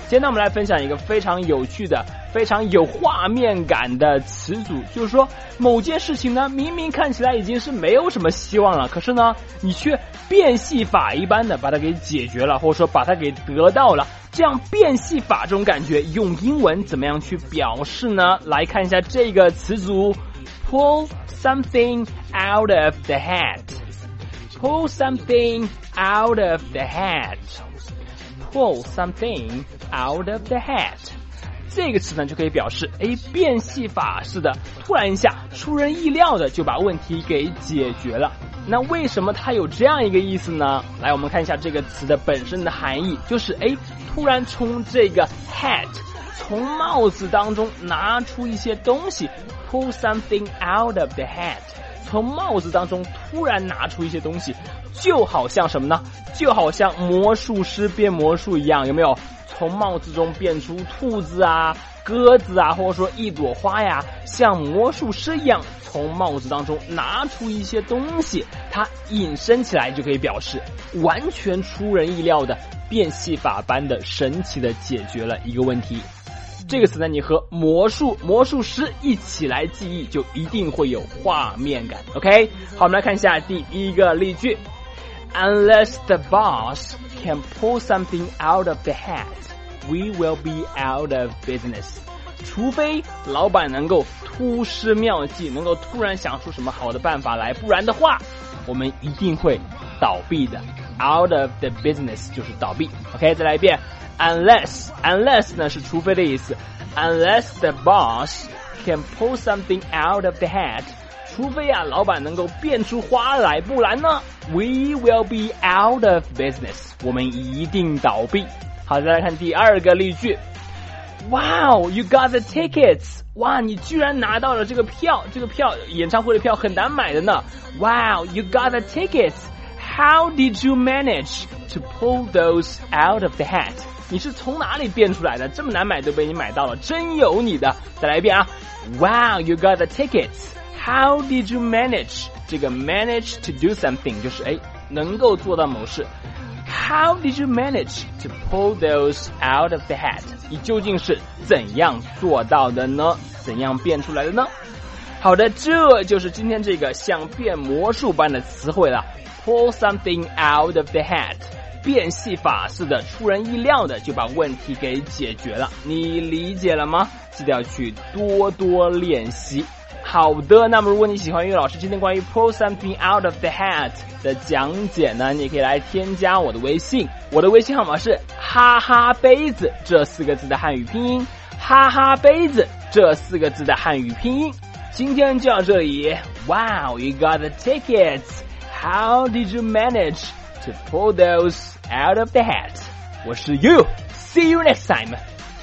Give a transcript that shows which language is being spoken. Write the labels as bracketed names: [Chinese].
[Chinese] 今天呢，我们来分享一个非常有趣的、非常有画面感的词组，就是说某件事情呢，明明看起来已经是没有什么希望了，可是呢，你却变戏法一般的把它给解决了，或者说把它给得到了。这样变戏法这种感觉，用英文怎么样去表示呢？来看一下这个词组 ， [English] pull something out of the hat。 Pull something out of the hat. Pull something out of the hat. [Chinese] 这个词呢就可以表示，哎，变戏法似的，突然一下出人意料的就把问题给解决了。那为什么它有这样一个意思呢？来，我们看一下这个词的本身的含义，就是哎，突然从这个 hat， 从帽子当中拿出一些东西。 [English] Pull something out of the hat. [Chinese] 从帽子当中突然拿出一些东西，就好像什么呢？就好像魔术师变魔术一样，有没有？从帽子中变出兔子啊、鸽子啊，或者说一朵花呀，像魔术师一样从帽子当中拿出一些东西，它隐身起来就可以表示完全出人意料的变戏法般的神奇的解决了一个问题。这个词呢，你和魔术师一起来记忆，就一定会有画面感。 [English] OK， [Chinese] 好，我们来看一下第一个例句 [English] ：Unless the boss can pull something out of the hat, we will be out of business. [Chinese] 除非老板能够突施妙计，能够突然想出什么好的办法来，不然的话，我们一定会倒闭的。 [English] Out of the business [Chinese] 就是倒闭。 OK， 再来一遍。 Unless 呢是除非的意思。 [English] Unless the boss can pull something out of the hat， [Chinese] 除非啊老板能够变出花来，不然呢 [English] ，we will be out of business， [Chinese] 我们一定倒闭。好，再来看第二个例句。 [English] Wow， you got the tickets！ [Chinese] 哇，你居然拿到了这个票，这个票演唱会的票很难买的呢。 [English] Wow， you got the tickets！ How did you manage to pull those out of the hat？ [Chinese] 你是从哪里变出来的？这么难买都被你买到了，真有你的！再来一遍啊 [English] ！Wow, you got the tickets. How did you manage? [Chinese] 这个 [English] manage to do something [Chinese] 就是哎，能够做到某事。 [English] How did you manage to pull those out of the hat? [Chinese] 你究竟是怎样做到的呢？怎样变出来的呢？好的，这就是今天这个像变魔术般的词汇了 ， [English] pull something out of the hat。 [Chinese] 变戏法似的，出人意料的就把问题给解决了，你理解了吗？记得要去多多练习。好的，那么如果你喜欢于老师今天关于 [English] pull something out of the hat [Chinese] 的讲解呢，你可以来添加我的微信，我的微信号码是哈哈杯子这四个字的汉语拼音，哈哈杯子这四个字的汉语拼音。今天就到这里。 [English] Wow, you got the tickets. How did you manageTo pull those out of the hat. [Chinese] 我是 [English] You. See you next time.